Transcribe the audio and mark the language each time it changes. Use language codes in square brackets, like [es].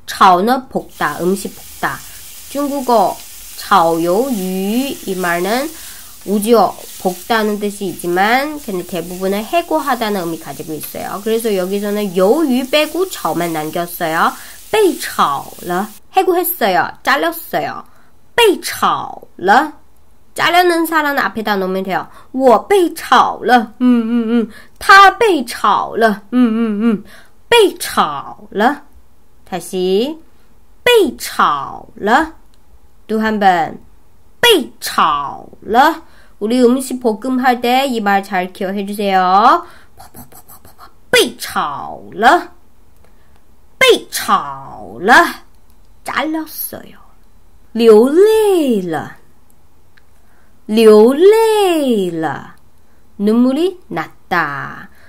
[ko] 炒는 볶다, 음식 볶다. 중국어 炒鱿鱼 이 말은 우지어 볶다는 뜻이 있지만 근데 대부분은 해고하다는 의미 가지고 있어요. 그래서 여기서는 鱿鱼 빼고 炒만 남겼어요. [zh] 被炒了, [ko] 해고했어요, 잘렸어요. [zh] 被炒了, [ko] 잘려는 사람은 앞에다 놓으면 돼요. [zh] 我被炒了, 他被炒了, 被炒了. [ko] 다시 [zh] 被炒了. [ko] 또 한 번. [zh] 被炒了. [ko] 우리 음식 볶음할 때 이 말 잘 기억해 주세요. [zh] 被炒了被炒了, [ko] 잘렸어요. [zh] 流泪了流泪了, [ko] 눈물이 났다.